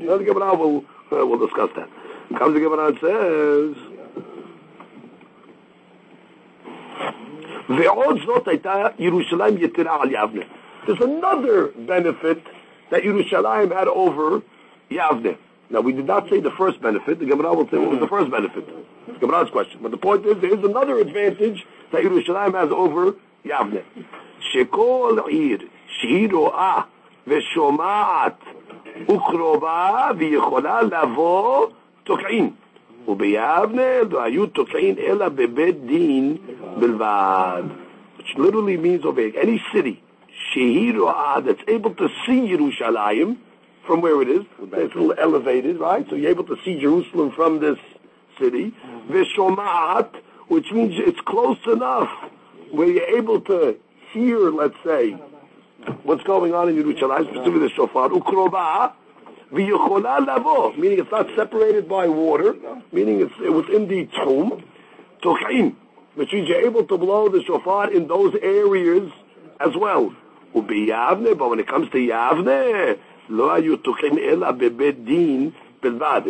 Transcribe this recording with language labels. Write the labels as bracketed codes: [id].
[en] The Gemara will discuss that. Comes the Gemara and says, [he] Ve'od zot hayta Yerushalayim yetira al Yavne. [en] There's another benefit that Yerushalayim had over Yavne. Now, we did not say the first benefit. The Gemara will say what was the first benefit. It's Gemara's question. But the point is, there is another advantage that Yerushalayim has over Yavne. [he] Shekol ir, shiro'ah, ve'shoma'at, וקרובה ויכולה לבוא תוקעין וביבנה לא היו תוקעין אלא בבית דין בלבד, [en] which literally means over any city [he] שהיא רואה [en] that's able to see Yerushalayim from where it is, it's a little elevated, right? So you're able to see Jerusalem from this city, [he] ושומעת, [en] which means it's close enough where you're able to hear, let's say, what's going on in Yerushalayim, specifically the shofar, [he] וקרובה ויכולה לבוא, [en] meaning it's not separated by water, meaning it was in the tomb, [he] תוקעים, [en] which means you're able to blow the shofar in those areas as well. [he] וביבנה, [en] but when it comes to [he] יבנה, לא היו תוקעים אלא בבית דין בלבד.